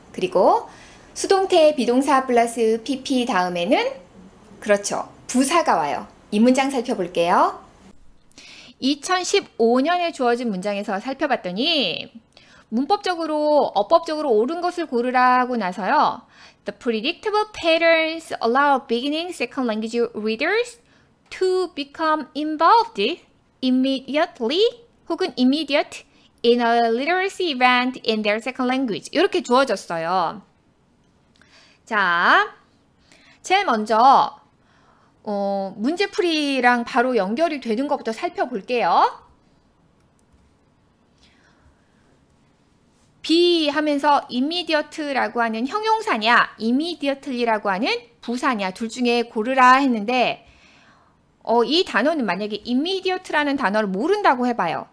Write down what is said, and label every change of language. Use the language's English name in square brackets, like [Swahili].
[Korean] 그리고 수동태의 비동사 플러스 pp 다음에는 그렇죠. 부사가 와요. 이 문장 살펴볼게요. 2015년에 주어진 문장에서 살펴봤더니 문법적으로, 어법적으로 옳은 것을 고르라고 나서요. [English] The predictable patterns allow beginning second language readers to become involved immediately [Korean] 혹은 [English] immediate in a literacy event in their second language. [Korean] 이렇게 주어졌어요. 자, 제일 먼저 문제풀이랑 바로 연결이 되는 것부터 살펴볼게요. B 하면서 immediate라고 하는 형용사냐, immediately라고 하는 부사냐, 둘 중에 고르라 했는데 이 단어는 만약에 immediate라는 단어를 모른다고 해봐요.